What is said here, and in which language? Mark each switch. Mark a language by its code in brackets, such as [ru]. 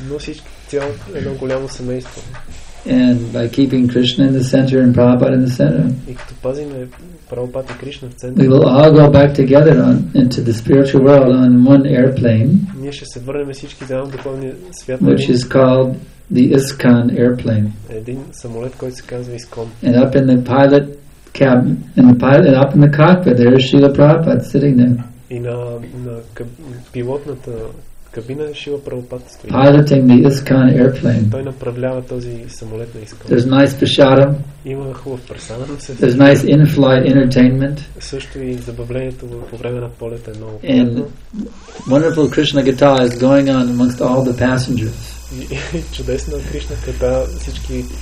[bg] Но всички цяло едно голямо семейство. [en] And by keeping Krishna in the center and Prabhupada in the center, [bg] и като пазим Прабхупада и Кришна в центъра, [en] we will all go back together on, into the spiritual world on one airplane, [bg] ние ще се върнем всички заедно в духовния свят, [en] which is called the ISKCON airplane, [bg] един самолет, който се казва ISKCON, [en] and up in the pilot cabin, and the pilot up in the cockpit, there is Srila Prabhupada sitting there, [bg] и на пилотната кабина Шрила Прабхупада стои. [en] Piloting the ISKCON airplane. [bg] Той направлява този самолет на ISKCON. [en] There's nice prasadam. [bg] Има хубав прасадам. [en] There's nice in-flight entertainment. [bg] Също и забавлението по време на полета е много. [en] And wonderful Krishna Gita is going on amongst all the passengers. [bg] Чудесна Кришна Гита, всички